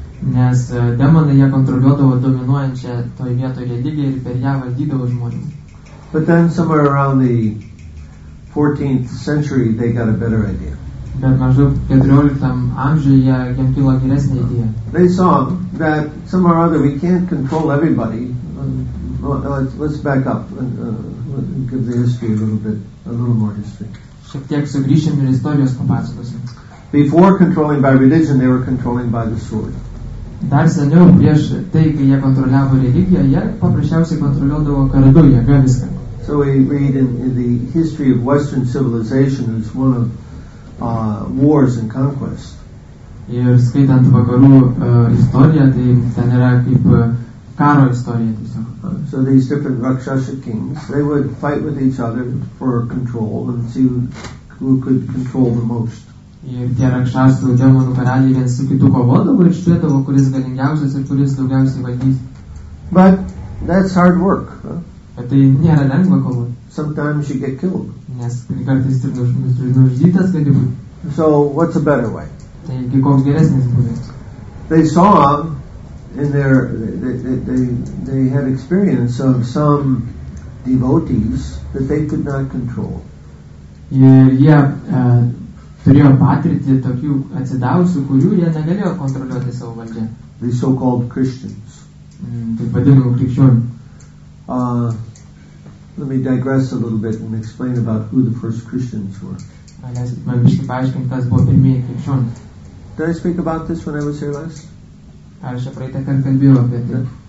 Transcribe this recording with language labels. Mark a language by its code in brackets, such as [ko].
[lt] Nes demonai jie kontroliuodavo dominuojančią toje vietoje religiją ir per ją valdydavo žmonių. [en] But then somewhere around the 14th century they got a better idea. [lt] Bet maždaug 14 amžiuje jiem kilo geresnė idėja. [en] They saw that somewhere or other we can't control everybody. Let's back up and give the history a little more history. [lt] Šiek tiek sugrįšim ir istorijos papasakosim. [en] Before controlling by religion, they were controlling by the sword. [lt] Dar seniau prieš tai, kai jie kontroliavo religiją, jie paprasčiausiai kontroliuodavo kardu, jėga viską. [en] So we read in the history of Western civilization as one of wars and conquest. [lt] Ir skaitant vakarų istoriją, tai ten yra kaip karo istorija tiesiog. [en] So these different Rakshasa kings, they would fight with each other for control and see who could control the most. [lt] Ir tie rakšasų demonų karaliai vien su kitu kovodavo ir žiūrėdavo, kuris galingiausias ir kuris daugiausiai valdys. [en] But that's hard work. [lt] Bet tai nėra lengva kovoti. [en] Sometimes you get killed. [lt] Nes kartais turi nužudytas, kad jau. [en] So what's a better way? [lt] Tai koks geresnis būdas? [en] They saw in their they had experience of some devotees that they could not control. [lt] Ir jie turėjo patirtį tokių atsidavusių, kurių jie negalėjo kontroliuoti savo valdžią. [en] The so-called Christians. [lt] Taip vadinamų krikščionių. [en] Let me digress a little bit and explain about who the first Christians were. Did I speak about this when I was here last? [lt] Ar šią praeitą kartą kalbėjau apie tai?